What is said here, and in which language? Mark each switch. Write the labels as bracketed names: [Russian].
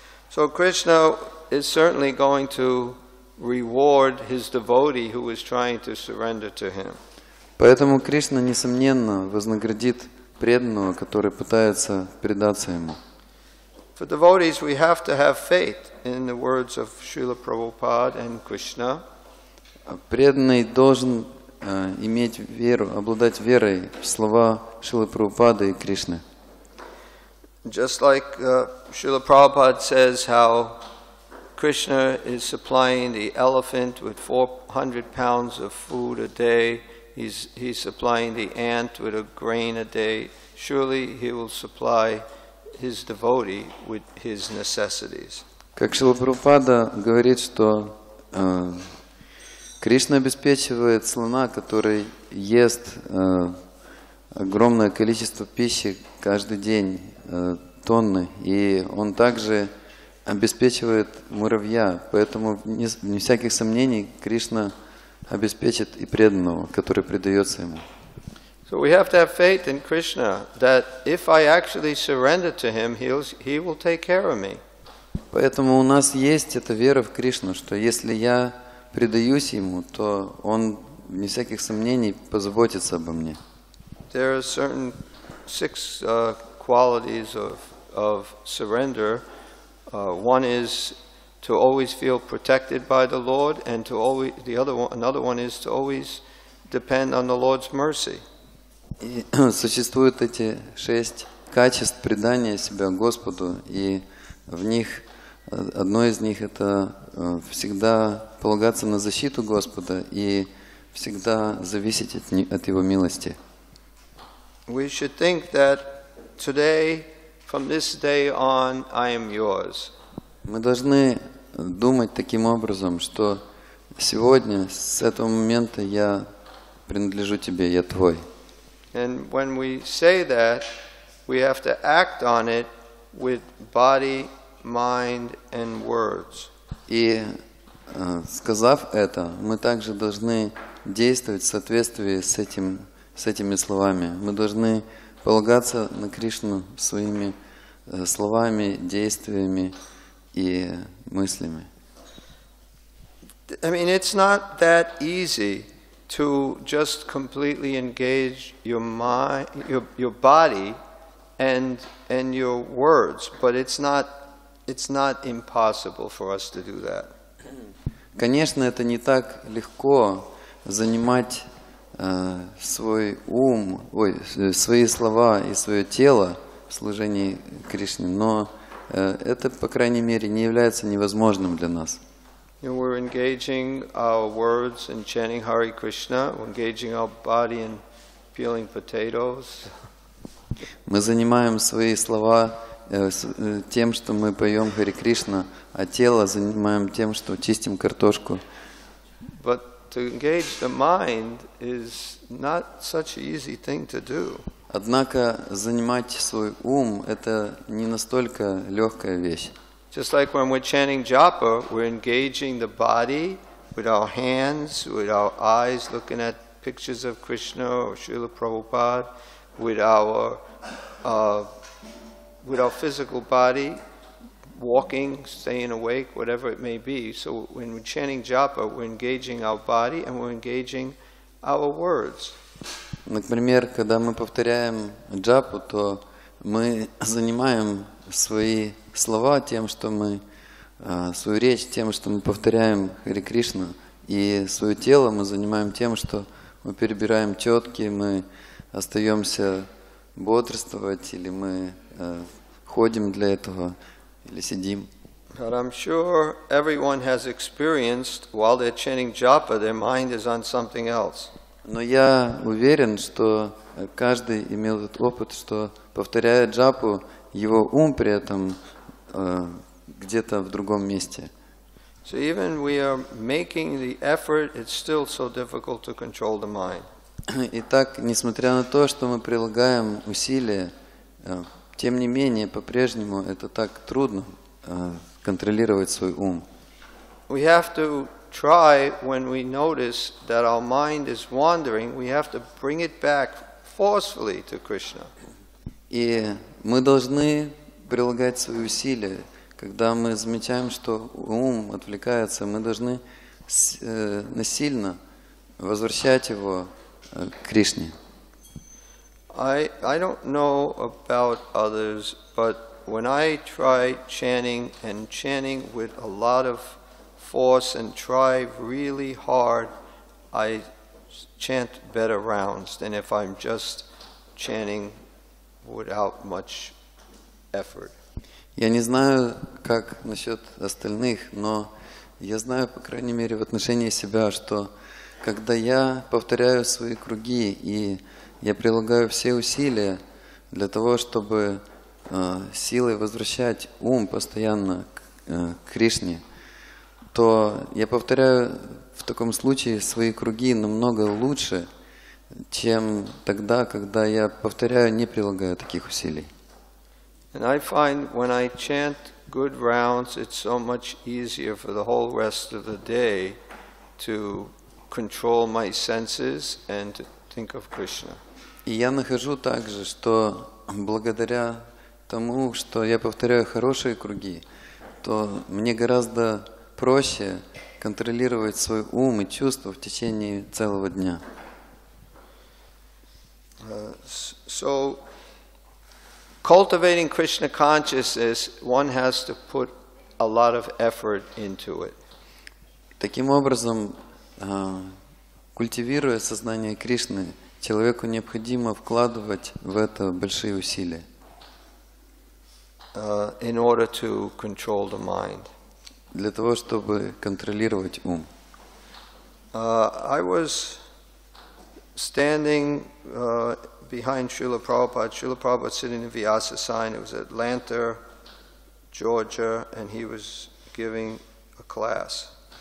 [English] So Krishna is certainly going to reward his devotee who is trying to surrender to him. [Russian] Поэтому Кришна несомненно вознаградит преданного, который пытается предаться ему. [English] For devotees, we have to have faith in the words of Srila Prabhupada and Krishna. [Russian] Преданный должен иметь веру, обладать верой в слова Шрилы Прабхупады и Кришны. [English] Just like Srila Prabhupada says how Krishna is supplying the elephant with 400 pounds of food a day, he's supplying the ant with a grain a day, surely he will supply his devotee with his necessities. [Russian] Как Шрила Прабхупада говорит, что Кришна обеспечивает слона, который ест огромное количество пищи каждый день, тонны, и он также обеспечивает муравья, поэтому вне всяких сомнений Кришна обеспечит и преданного, который предается ему. [English] So we have to have faith in Krishna that if I actually surrender to him, he will take care of me. [Russian] Поэтому у нас есть эта вера в Кришну, что если я предаюсь ему, то он вне всяких сомнений позаботится обо мне. [English] There are certain six qualities of surrender. One is to always feel protected by the Lord, and to always the other one, another one is to always depend on the Lord's mercy. [Russian] И существуют эти шесть качеств предания себя Господу, и в них одно из них это всегда полагаться на защиту Господа и всегда зависеть от Его милости. [English] We should think that today, from this day on, I am yours. [Russian] Мы должны думать таким образом, что сегодня, с этого момента, я принадлежу тебе, я твой. [English] And when we say that, we have to act on it with body, mind, and words. [Russian] И сказав это, мы также должны действовать в соответствии с этим с этими словами. Мы должны полагаться на Кришну своими словами, действиями и мыслями. [English] I mean, it's not that easy to just completely engage your mind, your body, and your words, but it's not impossible for us to do that. [Russian] Конечно, это не так легко занимать свой ум, свои слова и свое тело в служении Кришне, но это, по крайней мере, не является невозможным для нас. [English] You know, we're engaging our words in chanting Hare Krishna. We're engaging our body in peeling potatoes. [Russian] Мы занимаем свои слова тем, что мы поем Хари Кришна, а тело занимаем тем, что чистим картошку. [English] But to engage the mind is not such an easy thing to do. [Russian] Однако занимать свой ум – это не настолько легкая вещь. [English] Just like when we're chanting japa, we're engaging the body with our hands, with our eyes looking at pictures of Krishna or Srila Prabhupada, with our physical body, walking, staying awake, whatever it may be. So when we're chanting japa, we're engaging our body and we're engaging our words. [Russian] Например, когда мы повторяем джапу, то мы занимаем свои слова тем, что мы свою речь тем, что мы повторяем Хари Кришну, и свое тело мы занимаем тем, что мы перебираем четки, мы остаемся бодрствовать, или мы ходим для этого, или сидим. [English] But I'm sure everyone has experienced while they're chanting japa, their mind is on something else. [Russian] Но я уверен, что каждый имел этот опыт, что повторяя джапу, его ум при этом где-то в другом месте. [English] So even we are making the effort, it's still so difficult to control the mind. [Russian] Итак, несмотря на то, что мы прилагаем усилия, тем не менее, по-прежнему это так трудно контролировать свой ум. [English] We have to try when we notice that our mind is wandering, we have to bring it back forcefully to Krishna. [Russian] И мы должны прилагать свои усилия. Когда мы замечаем, что ум отвлекается, мы должны насильно возвращать его к Кришне. [English] I don't know about others, but when I try chanting and chanting with a lot of force and try really hard, I chant better rounds than if I'm just chanting without much effort. [Russian] Я не знаю, как насчет остальных, но я знаю, по крайней мере, в отношении себя, что когда я повторяю свои круги и я прилагаю все усилия для того, чтобы силой возвращать ум постоянно к Кришне, то я повторяю в таком случае свои круги намного лучше, чем тогда, когда я повторяю, не прилагая таких усилий. [English] And I find when I chant good rounds, it's so much easier for the whole rest of the day to control my senses and to think of Krishna. [Russian] И я нахожу также, что благодаря тому, что я повторяю хорошие круги, то мне гораздо проще контролировать свой ум и чувства в течение целого дня. [English] So cultivating Krishna consciousness, one has to put a lot of effort into it. [Russian] Таким образом, культивируя сознание Кришны, человеку необходимо вкладывать в это большие усилия. [English] In order to control the mind. [Russian] Для того, чтобы контролировать ум. [English] I was standing behind Srila Prabhupada. Srila Prabhupada sitting in Vyasa sign. It was Atlanta, Georgia, and he was giving a class.